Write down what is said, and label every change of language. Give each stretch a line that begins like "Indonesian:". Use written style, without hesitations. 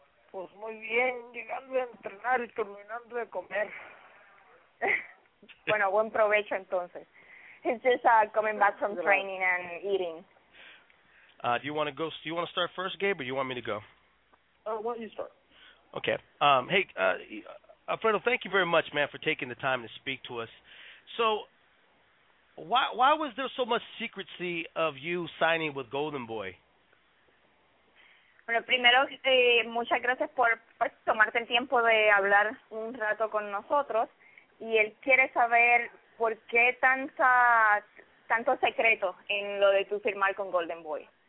Spanish: Pues muy bien, llegando a entrenar y terminando de comer. Bueno, buen provecho entonces.
English: It's just coming back from training and eating. Do you want to go? Do you want to start first, Gabe, or do you want me to go? Why don't you start? Okay. Hey, Alfredo, thank you very much, man, for taking the time to speak to us. So, why was there so much secrecy of you signing with Golden Boy?
Spanish: Bueno, primero, muchas gracias por tomarte el tiempo de hablar un rato con nosotros. Y él quiere saber por qué tanto secreto en lo de tu firmar con Golden Boy.